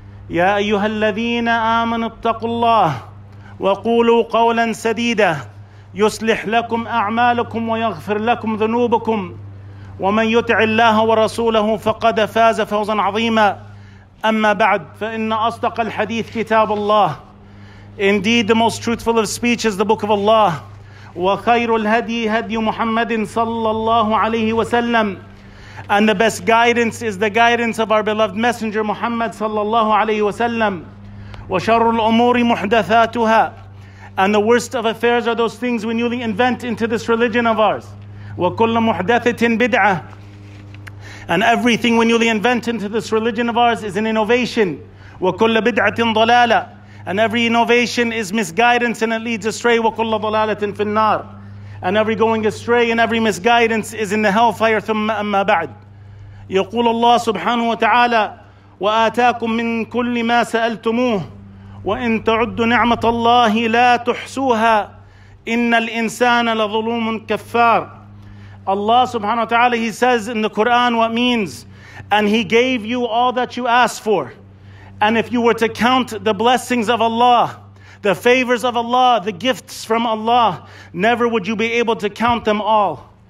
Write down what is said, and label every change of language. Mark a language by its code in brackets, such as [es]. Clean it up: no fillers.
[ar] يا أيها الذين آمنوا اتقوا الله وقولوا قولا سديدا يصلح لكم أعمالكم ويغفر لكم ذنوبكم، ومن يطع الله ورسوله فقد فاز فوزا عظيما. أما بعد، فإن أصدق الحديث كتاب الله. [en] Indeed, the most truthful of speech is the book of Allah. [ar] وخير الهدي هدي محمد صلى الله عليه وسلم. [en] And the best guidance is the guidance of our beloved messenger Muhammad [ar] صلى الله عليه وسلم. وشر الأمور محدثاتها. [en] And the worst of affairs are those things we newly invent into this religion of ours. [ar] وكل محدثة بدعة. [en] And everything we newly invent into this religion of ours is an innovation. [ar] وكل بدعة ضلالة. [en] And every innovation is misguidance and it leads astray. [ar] وكل ضلالة في النار. [en] And every going astray and every misguidance is in the hellfire. [ar] ثم أما بعد. يقول الله سبحانه وتعالى وآتاكم من كل ما سألتموه وإن تعدوا نعمة الله لا تحصوها إن الإنسان لظلوم كفار. [en] Allah subhanahu wa ta'ala, He says in the Quran what means, and He gave you all that you asked for. And if you were to count the blessings of Allah, the favors of Allah, the gifts from Allah, never would you be able to count them all.